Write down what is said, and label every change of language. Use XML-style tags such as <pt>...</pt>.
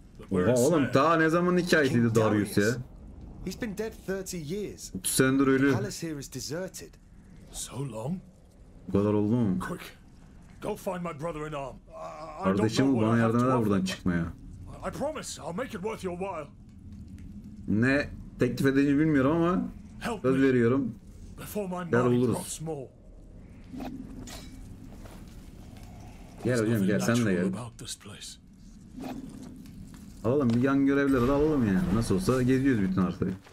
<tr>Oha oğlum, daha ne zaman hikayesiydi Darius ya?</tr> <en>He's been dead 30 years.</en> <tr>30 senedir ölü.</tr> <en>The palace here is deserted. So long?</en> <tr>Bu kadar oldu mu?</tr> <en>Quick, go find my brother in arm.</en> <tr>Kardeşim, bana yardım eder buradan çıkmaya.</tr> <en>I promise, I'll make it worth your while.</en> <tr>Ne teklif edeceğimi bilmiyorum ama söz veriyorum. Gel oluruz. Gel hocam, gel sen de gel. Alalım bir yan görevleri de alalım yani. Nasıl olsa geziyoruz bütün haritayı.</tr>